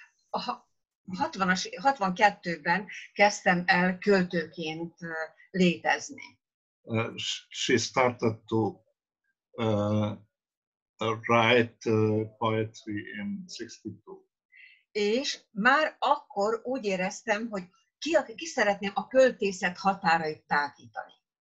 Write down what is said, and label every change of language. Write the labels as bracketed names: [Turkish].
[Hungarian] A 60-as, 62-ben kezdtem el költőként létezni. [English] She started to write poetry in 62. [Hungarian] És már akkor úgy éreztem, hogy ki szeretném a költészet határait tágítani.